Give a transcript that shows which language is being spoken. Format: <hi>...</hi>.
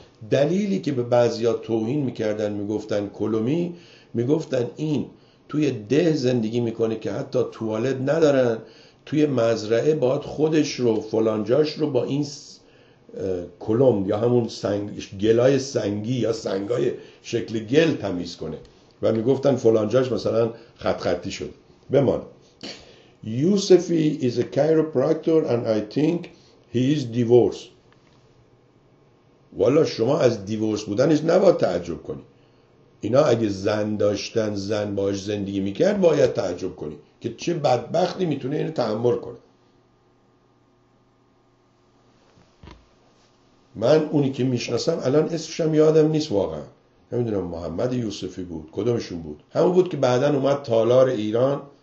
<fa>دلیلی که به بعضیا توهین میکردن میگفتن کلومی، میگفتن این توی ده زندگی میکنه که حتی توالت ندارن، توی مزرعه باید خودش رو فلانجاش رو با این کلم یا همون سنگ، گلای سنگی یا سنگای شکل گل تمیز کنه، و میگفتن فلانجاش مثلا خط خطی شد.</fa> <en>بمان یوسفی is a chiropractor and I think he is divorced.</en> <fa>والا شما از دیورس بودنش نباید تعجب کنی، اینا اگه زن داشتن زن باش زندگی میکرد باید تعجب کنی که چه بدبختی میتونه اینو تحمل کنه. من اونی که میشناسم الان اسمشم یادم نیست واقعا، نمیدونم محمد یوسفی بود کدومشون بود، همون بود که بعدن اومد تالار ایران.</fa>